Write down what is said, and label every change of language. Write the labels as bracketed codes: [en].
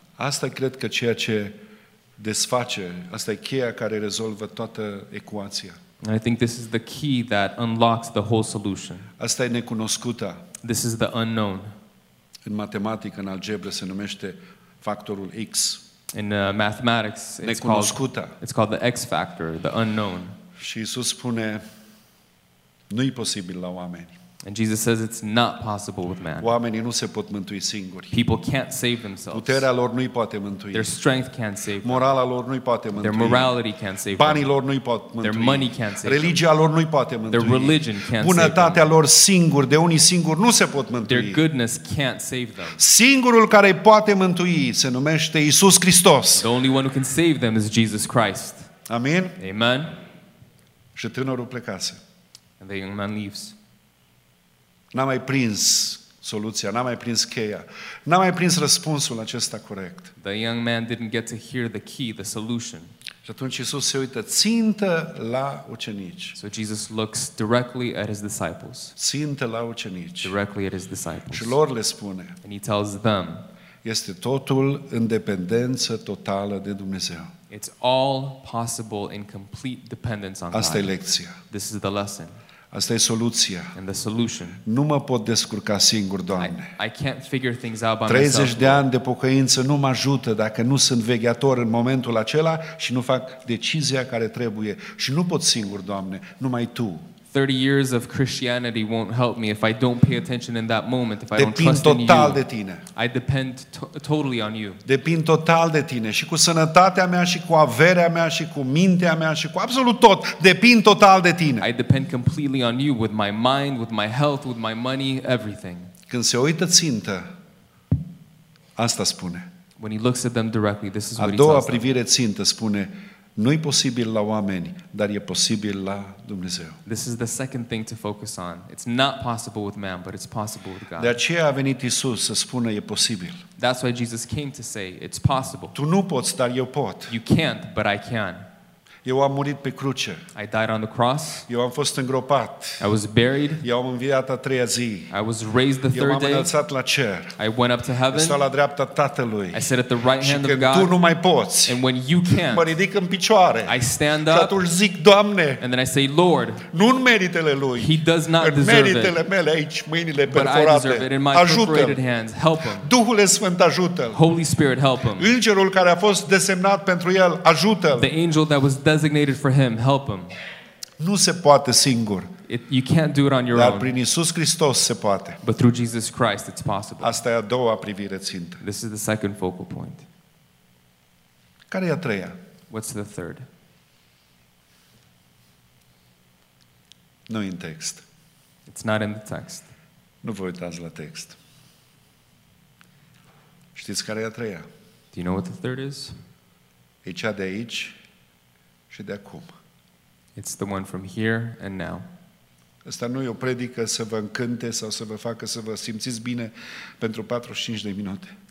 [ro] Asta cred că ceea ce desface, asta e cheia care rezolvă toată ecuația. [en] And I think this is the key that unlocks the whole solution. [ro] Asta e necunoscuta. [en] This is the unknown. [ro] În matematică, în algebră, se numește factorul X. [en] In mathematics, it's called the X factor, the unknown. [ro] Și Iisus spune, nu-i posibil la oameni. [en] And Jesus says it's not possible with man. [ro] Oamenii nu se pot mântui singuri. [en] People can't save themselves. [ro] Puterea lor nu-i poate mântui. [en] Their strength can't save them. [ro] Morala lor nu-i poate mântui. [en] Their morality can't save them. [ro] Banii lor nu-i pot mântui. [en] Their money can't save them. [ro] Religia lor nu-i poate mântui. [en] Their religion can't save them. [ro] Bunătatea lor singuri, de unii singuri, nu se pot mântui. [en] Their goodness can't save them. [ro] Singurul care îi poate mântui se numește Iisus Hristos. [en] The only one who can save them is Jesus Christ. [ro] Amen. [en] Amen. [ro] Și tânărul plecase. [en] And the young man leaves. [ro] N-a mai prins soluția, n-a mai prins cheia, n-a mai prins răspunsul acesta corect. [en] The young man didn't get to hear the key, the solution. [ro] Și atunci Iisus se uită țintă la ucenici. [en] So Jesus looks directly at his disciples. [ro] Țintă la ucenici. [en] Directly at his disciples. [ro] Și lor le spune. [en] And he tells them. [ro] Este totul în dependență totală de Dumnezeu. [en] It's all possible in complete dependence on God. [ro] Asta e lecția. [en] This is the lesson. [ro] Asta e soluția. [en] And the solution. [ro] Nu mă pot descurca singur, Doamne. [en] I can't figure things out by myself. [ro] 30 de ani de pocăință nu mă ajută dacă nu sunt vegheator în momentul acela și nu fac decizia care trebuie. Și nu pot singur, Doamne, numai Tu. [en] 30 years of Christianity won't help me if I don't pay attention in that moment, if I [ro] depind [en] don't trust [ro] total [en] in you. [ro] De tine. [en] I depend totally on you. [ro] Depind total de tine și cu sănătatea mea și cu averea mea și cu mintea mea și cu absolut tot. Depind total de tine. [en] I depend completely on you with my mind, with my health, with my money, everything. [ro] Când se uită țintă, asta spune. [en] When he looks at them directly, this is what he tells them. [ro] A doua privire țintă spune, nu-i posibil la oameni, dar e posibil la Dumnezeu. [en] This is the second thing to focus on. It's not possible with man, but it's possible with God. [ro] De aceea a venit Iisus să spună, e posibil. [en] That's why Jesus came to say, it's possible. [ro] Tu nu poți, dar eu pot. [en] You can't, but I can. [ro] Eu am murit pe cruce. [en] I died on the cross. [ro] Eu am fost îngropat. [en] I was buried. [ro] Eu am înviat a treia zi. [en] I was raised the third day. [ro] Eu m-am înălțat la cer. [en] I went up to heaven. [ro] Stau la dreapta Tatălui. [en] I sit at the right hand of God. [ro] Și când tu nu mai poți. [en] And when you can't. [ro] Mă ridic în picioare. [en] I stand up. [ro] Și atunci zic, Doamne. [en] And then I say, Lord. [ro] Nu în meritele lui. [en] He does not deserve it. [ro] În meritele mele aici, mâinile perforate. Ajută-l. [en] Hands. Help him. [ro] Duhule Sfânt, ajută-l. [en] Holy Spirit, help him. [ro] Îngerul care a fost desemnat pentru el, ajută-l. [en] The angel that was designated for him, help him. [ro] Nu se poate singur. [en] You can't do it on your own. [ro] Dar prin Iisus Hristos se poate. [en] But through Jesus Christ it's possible. [ro] Asta e a doua privire țintă. [en] This is the second focal point. [ro] Care e a treia? [en] What's the third? [ro] Nu în text. [en] It's not in the text. [ro] Nu vă uitați la text. Știți care e a treia? [en] Do you know what the third is? [ro] E cea de aici. Și de acum. [en] It's the one from here and now. [ro] Asta nu e o predică să vă încânte sau să vă facă să vă simțiți bine pentru 45 de minute.